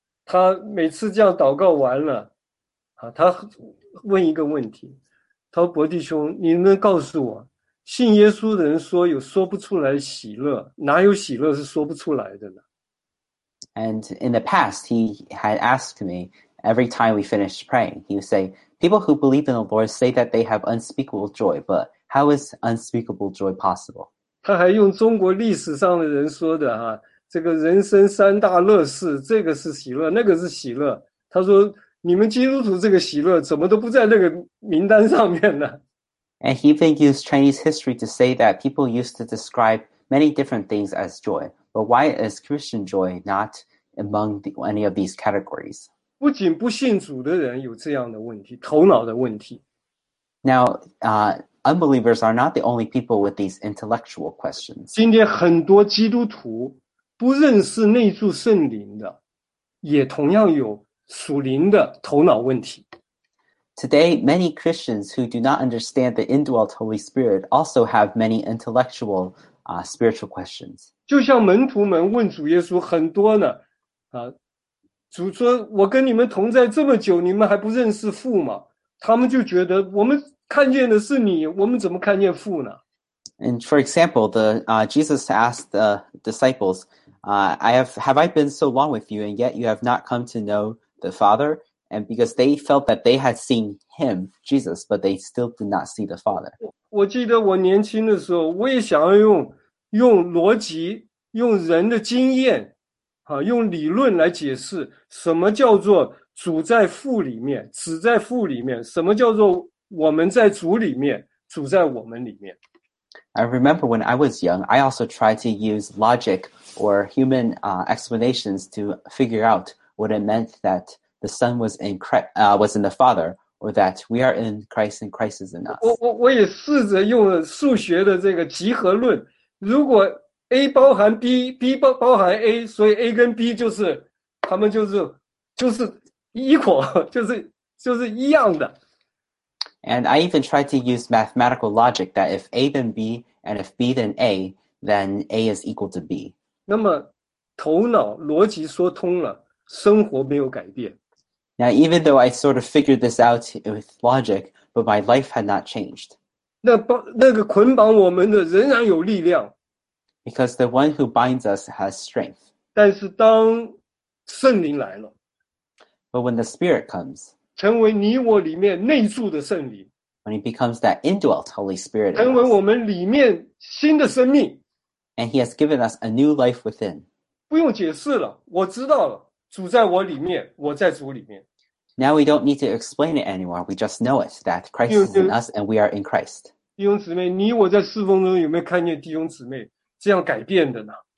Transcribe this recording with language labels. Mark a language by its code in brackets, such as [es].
[zh] 他每次这样祷告完了，他问一个问题，他说：“伯弟兄，你能告诉我，信耶稣的人说有说不出来喜乐，哪有喜乐是说不出来的呢？” [en] And in the past, he had asked me every time we finished praying, he would say, "People who believe in the Lord say that they have unspeakable joy, but how is unspeakable joy possible?" [zh] 他还用中国历史上的人说的哈。这个人生三大乐事，这个是喜乐，那个是喜乐。他说，你们基督徒这个喜乐怎么都不在那个名单上面呢？ [en] And he even used Chinese history to say that people used to describe many different things as joy. But why is Christian joy not among any of these categories? [zh] 不仅不信主的人有这样的问题，头脑的问题。 [en] Now, unbelievers are not the only people with these intellectual questions. [zh] 今天很多基督徒不认识内住圣灵的，也同样有属灵的头脑问题。 [en] Today, many Christians who do not understand the indwelt Holy Spirit also have many intellectual, spiritual questions. [zh] 就像门徒们问主耶稣很多呢，主说：“我跟你们同在这么久，你们还不认识父吗？” 他们就觉得我们看见的是你，我们怎么看见父呢？ [en] And for example, Jesus asked the disciples, "Have I been so long with you, and yet you have not come to know the Father?" And because they felt that they had seen Him, Jesus, but they still did not see the Father. [zh] 我记得我年轻的时候，我也想要用逻辑、用人的经验，用理论来解释什么叫做主在父里面，子在父里面，什么叫做我们在主里面，主在我们里面。 [en] I remember when I was young, I also tried to use logic or human explanations to figure out what it meant that the Son was in Christ, was in the Father, or that we are in Christ and Christ is in us. [zh] 我也试着用数学的这个集合论，如果 A 包含 B，B 包含 A， 所以 A 跟 B 就是他们就是 equal， 就是一样的。 [en] And I even tried to use mathematical logic that if A then B, and if B then A is equal to B. [zh] 那么头脑逻辑说通了，生活没有改变。 [en] Now even though I sort of figured this out with logic, but my life had not changed. [zh] 那个捆绑我们的仍然有力量。 [en] Because the one who binds us has strength. [zh] 但是当圣灵来了。 [en] But when the Spirit comes, [zh] 成为你我里面内住的圣灵。 [en] When he becomes that indwelt Holy Spirit, [zh] 成为我们里面新的生命。 [en] And he has given us a new life within. [zh] 不用解释了，我知道了，主在我里面，我在主里面。 [en] Now we don't need to explain it anymore. We just know it, that Christ is in us and we are in Christ. [zh] 弟兄姊妹，你我在侍奉中有没有看见弟兄姊妹这样改变的呢？